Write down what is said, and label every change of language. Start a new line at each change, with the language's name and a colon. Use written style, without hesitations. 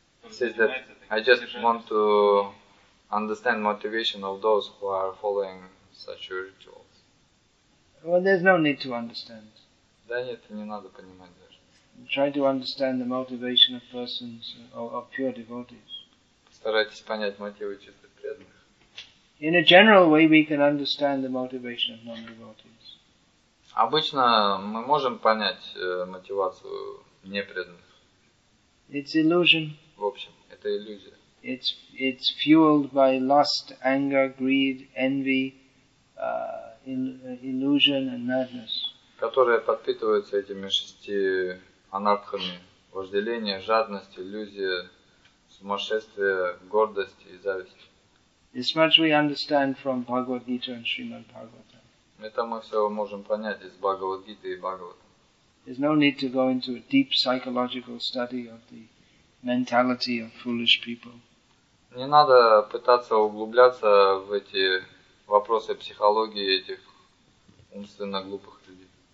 English: Says that I just want to understand motivation of those who are following such rituals. Well, there's no need to understand.
Russian: Да нет, не надо понимать даже.
English: Try to understand the motivation of persons of pure devotees.
Russian: Старайтесь понять мотивы чистых преданных.
English: In a general way, we can understand the motivation of non-devotees.
Russian: Обычно мы можем понять мотивацию непреданных.
English: It's illusion.
Russian: В общем, это иллюзия.
English: It's fueled by lust, anger, greed, envy, illusion and madness.
Russian: Которая подпитывается этими шести анатхами: вожделение, жадность, иллюзия, сумасшествие, гордость и зависть.
English: This much we understand from Bhagavad Gita and Srimad Bhagavatam.
Russian: Это мы все можем понять из Бхагавад Гиты и Бхагаватам.
English: There's no need to go into a deep psychological study of the mentality of foolish people.
Russian: Не надо пытаться углубляться в эти вопросы психологии этих умственно глупых людей.